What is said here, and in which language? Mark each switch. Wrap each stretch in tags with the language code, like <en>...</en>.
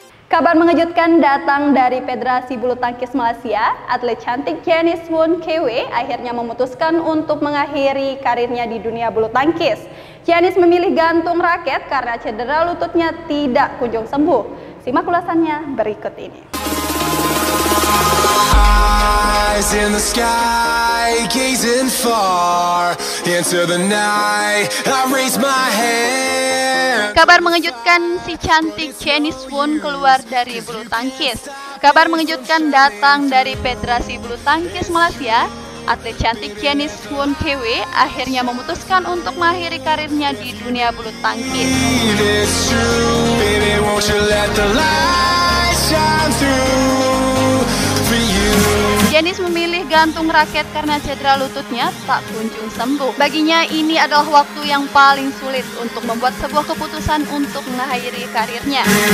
<id>Kabar mengejutkan datang dari Federasi Bulu Tangkis Malaysia, atlet cantik Janice Woon Kewe akhirnya memutuskan untuk mengakhiri karirnya di dunia bulu tangkis. Janice memilih gantung raket karena cedera lututnya tidak kunjung sembuh. Simak ulasannya berikut ini.</id> <en>Eyes in the sky, gazing far into the night, I raise my hand.</en> <id>Kabar mengejutkan si cantik Janice Woon keluar dari bulu tangkis. Kabar mengejutkan datang dari Federasi Bulu Tangkis Malaysia. Atlet cantik Janice Woon Kewe akhirnya memutuskan untuk mengakhiri karirnya di dunia bulu tangkis.</id> <en>It's true, baby, won't you let the light shine through.</en> <id>Janice memilih gantung raket karena cedera lututnya tak kunjung sembuh. Baginya ini adalah waktu yang paling sulit untuk membuat sebuah keputusan untuk mengakhiri karirnya.</id>